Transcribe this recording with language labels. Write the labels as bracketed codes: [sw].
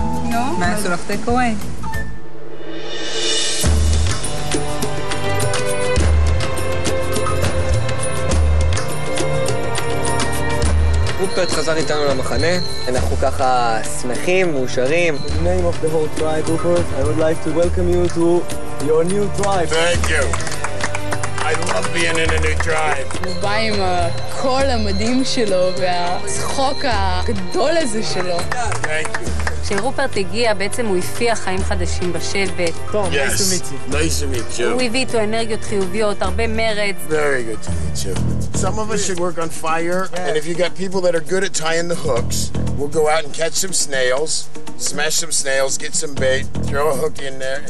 [he] לא? מה, יעשו לך טייק אווי? רופרט חזר איתנו למחנה. אנחנו ככה שמחים, מאושרים. [en] The name of the whole tribe, Rupert, I would like to welcome you to your new tribe. Thank you. I love being in a new tribe. [he] הוא בא עם הקול המדהים שלו והצחוק הגדול הזה שלו. [en] Thank you. [he] כשרופרט הגיע, בעצם הוא הפיח חיים חדשים בשבט. טוב, [en] nice to meet you. Nice to meet you. [he] הוא הביא איתו אנרגיות חיוביות, הרבה מרץ. [en] Very good to meet you. Some of us should work on fire, and if you got people that are good at tying the hooks, we'll go out and catch some snails, smash some snails, get some bait, throw a hook in there.